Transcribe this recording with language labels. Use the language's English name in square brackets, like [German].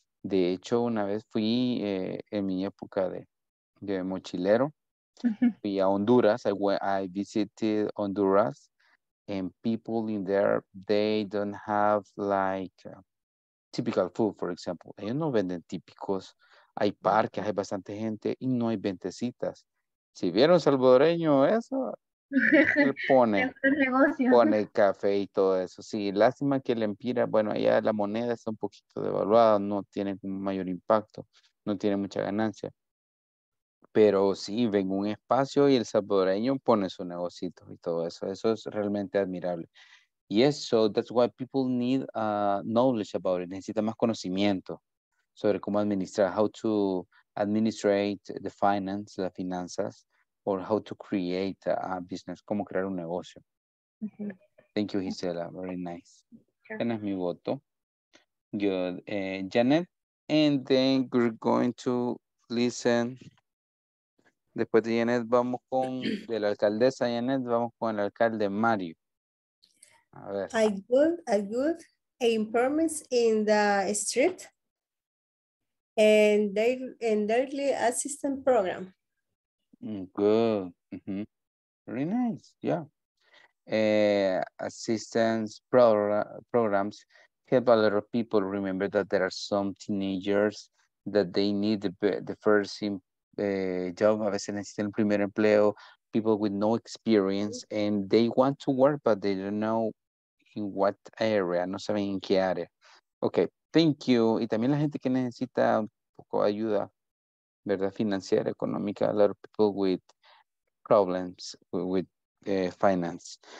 [Spanish] De hecho, una vez fui en mi época de mochilero. Fui a Honduras. [English] I visited Honduras. And people in there, they don't have like typical food, for example. [Spanish] Ellos no venden típicos. Hay parques, hay bastante gente y no hay ventecitas. Si vieron salvadoreño eso, él pone, pone café y todo eso. Sí, lástima que la empira, bueno, allá la moneda está un poquito devaluada, no tiene mayor impacto, no tiene mucha ganancia. Pero sí, ven un espacio y el salvadoreño pone su negocito y todo eso. Eso es realmente admirable. [English] Yes, so that's why people need knowledge about it. [Spanish] Necesita más conocimiento sobre cómo administrar, [English] how to administrate the finance, [Spanish] las finanzas, [English] or how to create a business, [Spanish] cómo crear un negocio. [English] Mm-hmm. Thank you, Gisela. Very nice. Sure. [Spanish] Tienes mi voto. [English] Good. Janet, and then we're going to listen. [Spanish] Después de Janet, vamos con de la alcaldesa Janet, vamos con el alcalde Mario. A ver. [English] I would impermits in the street and daily assistance program. Good. Mm-hmm. Very nice. Yeah. Assistance programs help a lot of people. Remember that there are some teenagers that they need the first job, [Spanish] a veces necesitan el primer empleo, [English] people with no experience and they want to work but they don't know in what area, [Spanish] no saben en qué área. [English] Okay, thank you. [Spanish] Y también la gente que necesita un poco ayuda, ¿verdad? Financiera, económica, [English] a lot of people with problems with finance.